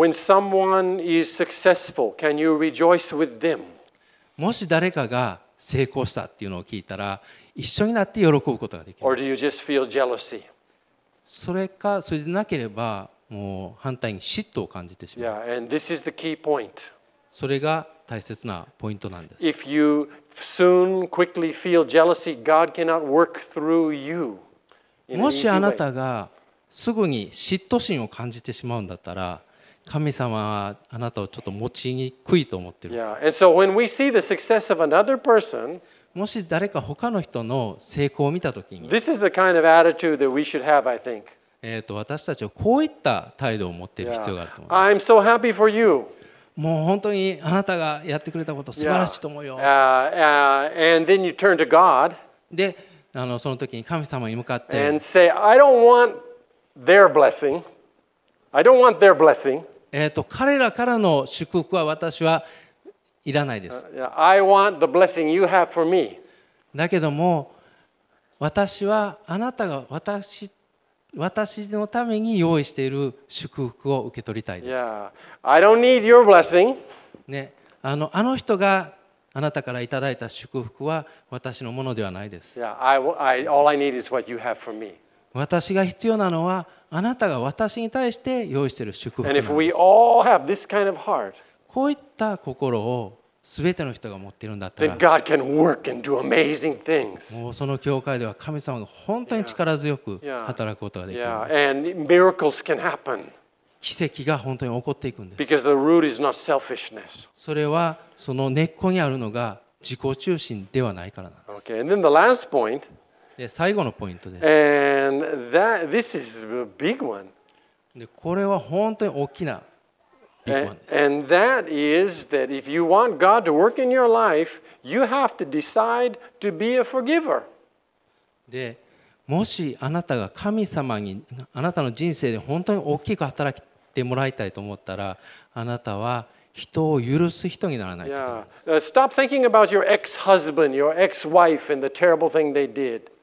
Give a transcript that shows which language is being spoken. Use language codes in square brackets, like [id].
[en] When someone is successful, can you rejoice with them? [ja] もし誰かが成功したっていうのを聞いたら一緒になって喜ぶことができる。 [en] Or do you just feel jealousy? [ja] それかそれでなければもう反対に嫉妬を感じてしまう。 [en] Yeah, and this is the key point. [ja] それが大切なポイントなんです。 [en] If you soon, quickly feel jealousy, God cannot work through you. [ja] もしあなたがすぐに嫉妬心を感じてしまうんだったら、神様はあなたをちょっと持ちにくいと思ってる。 [en] Yeah. And so when we see the success of another person, [ja] もし誰か他の人の成功を見たときに、 [en] This is the kind of attitude that we should have, I think. [ja] 私たちはこういった態度を持っている必要があると思います [en] 。 Yeah. I'm so happy for you. [ja] もう本当にあなたがやってくれたこと素晴らしいと思うよ。 [en] And then you turn to God. [ja] で、その時に神様に向かって。 [en] And say, I don't want their blessing. I don't want their blessing. [ja] 彼らからの祝福は私はいらないです。 [en] I want the blessing you have for me. [ja] だけども、私はあなたが私のために用意している祝福を受け取りたいです。 [en] Yeah. I don't need your blessing. [ja] ね、あの人があなたからいただいた祝福は私のものではないです。 [en] All I need is what you have for me. [ja] 私が必要なのはあなたが私に対して用意している祝福なんです。 [en] And if we all have this kind of heart, [ja] こういった心を全ての人が持っているんだったら、 [en] Then God can work and do amazing things. [ja] もうその教会では神様が本当に力強く働くことができる。 [en] Yeah. And miracles can happen. [ja] 奇跡が本当に起こっていくんです。 [en] Because the root is not selfishness. [ja] それはその根っこにあるのが自己中心ではないからなんです。 [en] Okay. And then the last point. [ja] で最後のポイントです。 [en] And that this is a big one. [ja] でこれは本当に大きな。 [en] And that is that if you want God to work in your life, you have to decide to be a forgiver. [ja] で、もしあなたが神様にあなたの人生で本当に大きく働いてもらいたいと思ったら、あなたは人を許す人にならないと。 [en] Stop thinking about your ex-husband, your ex-wife, and the terrible thing they did.